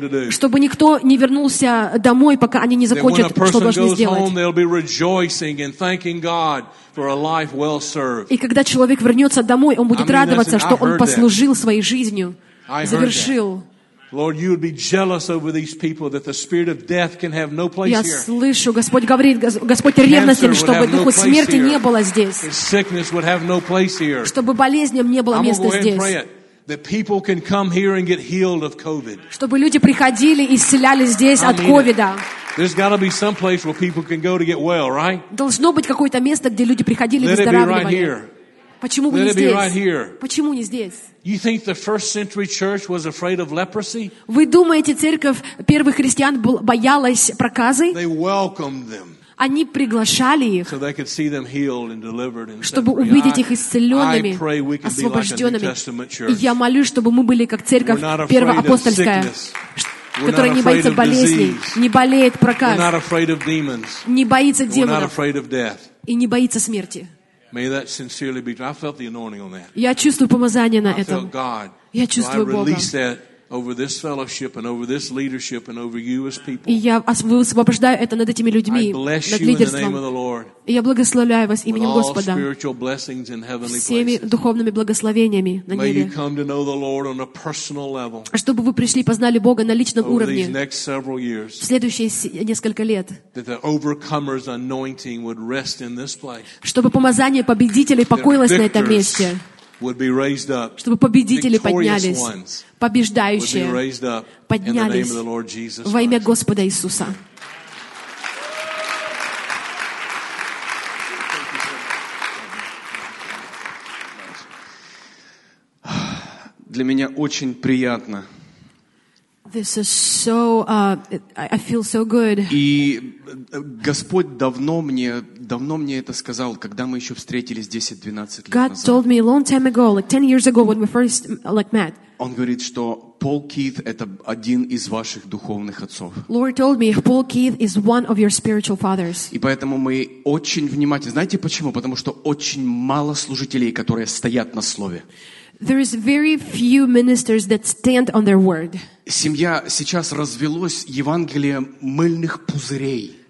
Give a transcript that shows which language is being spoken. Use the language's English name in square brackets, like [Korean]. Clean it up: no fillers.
[Russian] Чтобы никто не вернулся домой, пока они не закончат, что должны сделать. [English] They'll be rejoicing and thanking God for a life well served. [Russian] И когда человек вернется домой, он будет радоваться, что он послужил своей жизнью, завершил. [English] Lord, you would be jealous over these people that the spirit of death can have no place here. [Russian] Я слышу, Господь говорит, Господь ревностен, чтобы духу смерти не было здесь. [English] Sickness would have no place here. [Russian] Чтобы болезням не было места здесь. [English] That people can come here and get healed of COVID. [Russian] Чтобы люди приходили и исцелялись здесь от ковида. [English] There's got to be some place where people can go to get well, right? [Russian] Должно быть какое-то место, где люди приходили и выздоравливали. Почему бы не здесь? Почему не здесь? [English] You think the first century church was afraid of leprosy? [Russian] Вы думаете, церковь первых христиан боялась проказы? [English] They welcomed them. [Russian] Они приглашали их, [English] so they could see them healed and delivered and [Russian] чтобы увидеть их исцеленными, освобожденными. Я молюсь, чтобы мы были как церковь первоапостольская, которая не боится болезней, не болеет проказ, [English] we're not afraid of demons, [Russian] не боится демонов, [English] we're not afraid of death, [Russian] и не боится смерти. [English] May that sincerely be true. I felt the anointing on that. [Russian] Я чувствую помазание на этом. [English] I felt God. [Russian] Я чувствую [English] so [Russian] Бога. [English] Over this fellowship and over this leadership and over you as people. [Russian] И я освобождаю это над этими людьми, над лидерством. Я благословляю вас именем Господа. Всеми духовными благословениями на небе. [English] May you come to know the Lord on a personal level. [Russian] Чтобы вы пришли, познали Бога на личном уровне. [English] Over these next several years. [Russian] В следующие несколько лет. [English] That the overcomer's anointing would rest in this place. [Russian] Чтобы помазание победителей покоилось на этом месте. [English] Would be raised up. [Russian] Чтобы победители поднялись. Побеждающие [English] would be raised up [Russian] поднялись [English] in the name of the Lord Jesus [Russian] во имя Господа Иисуса. Для меня очень приятно [English] This is so I feel so good. [Russian] И Господь давно мне это сказал, когда мы ещё встретились 10-12 лет назад. [English] God told me a long time ago, like 10 years ago when we first like met. [Russian] Он говорит, что Пол Кит это один из ваших духовных отцов. [English] Lord told me Paul Keith is one of your spiritual fathers. [Russian] И поэтому мы очень внимательны. Знаете почему? Потому что очень мало служителей, которые стоят на слове. [English] There is very few ministers that stand on their word. [Russian] Семья сейчас развелось Евангелие мыльных пузырей.